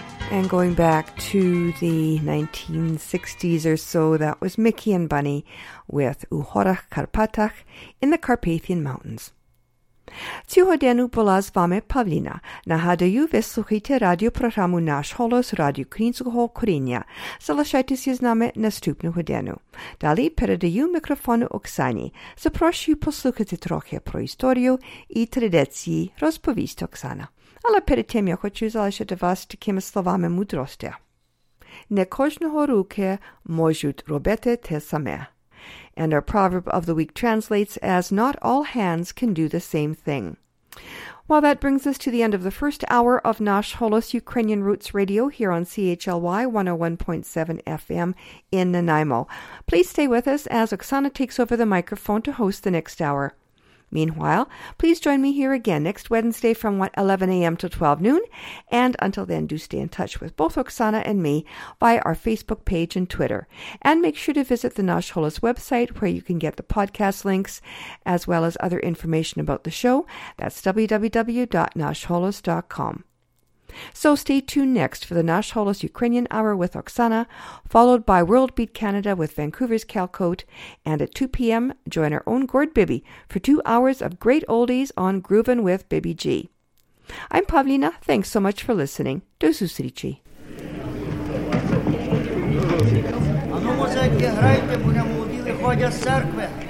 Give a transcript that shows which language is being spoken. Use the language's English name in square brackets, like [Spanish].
[English] And going back to the 1960s or so, that was Mickey and Bunny with Uhorach Karpatach in the Carpathian Mountains. [Ukrainian] Цього дену була з вами Павліна. Нагадую, ви слухаєте радіопрограму «Наш голос» Радіо Українського коріння. Залишайтеся з нами наступного дену. Далі передаю мікрофон Оксані. Запрошую послухати трохи про історію і традиції, розповість Оксана. Але перед тим я хочу залишити вас такими словами мудрості. Не кожного руки можуть робити те саме. [English] And our proverb of the week translates as, not all hands can do the same thing. Well, that brings us to the end of the first hour of Nash Holos Ukrainian Roots Radio here on CHLY 101.7 FM in Nanaimo. Please stay with us as Oksana takes over the microphone to host the next hour. Meanwhile, please join me here again next Wednesday from 11 a.m. to 12 noon. And until then, do stay in touch with both Oksana and me via our Facebook page and Twitter. And make sure to visit the Nash Holos website where you can get the podcast links as well as other information about the show. That's www.nashholos.com. So stay tuned next for the Nash Holos Ukrainian Hour with Oksana, followed by World Beat Canada with Vancouver's Cal Coat, and at 2 p.m. join our own Gord Bibby for 2 hours of great oldies on Groovin' with Bibby G. I'm Pavlina. Thanks so much for listening. [Ukrainian] Do susrichi. грайте, грайте, будемо у білі ходя з церкви.